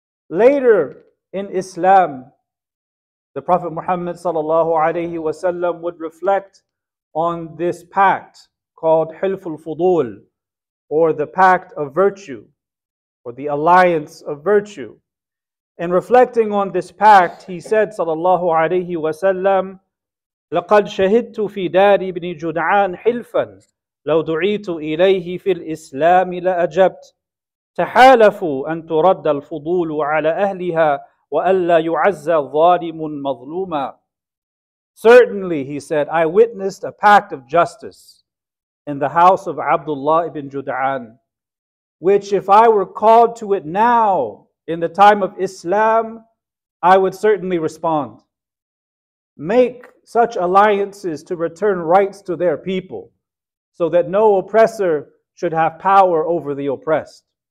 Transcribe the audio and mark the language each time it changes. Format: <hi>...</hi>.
<en>Later in Islam, the Prophet Muhammad sallallahu alayhi wa sallam would reflect on this pact called Hilful Fudul, or the pact of virtue, or the alliance of virtue. And reflecting on this pact, he said,</en> <ar>sallallahu alayhi wa sallam, لَقَدْ شَهِدْتُ فِي دَارِ ابْنِ جُدْعَانِ حِلْفًا لَوْ دُعِيتُ إِلَيْهِ فِي الْإِسْلَامِ لَأَجَبْتْ تَحَالَفُوا أَنْ تُرَدَّ الْفُضُولُ عَلَى أَهْلِهَا وَأَلَّا يُعَزَّ ظَالِمٌ مَظْلُومًا.</ar> <en>Certainly, he said, I witnessed a pact of justice in the house of Abdullah ibn Jud'an, which if I were called to it now, in the time of Islam, I would certainly respond. Make such alliances to return rights to their people, so that no oppressor should have power over the oppressed.</en>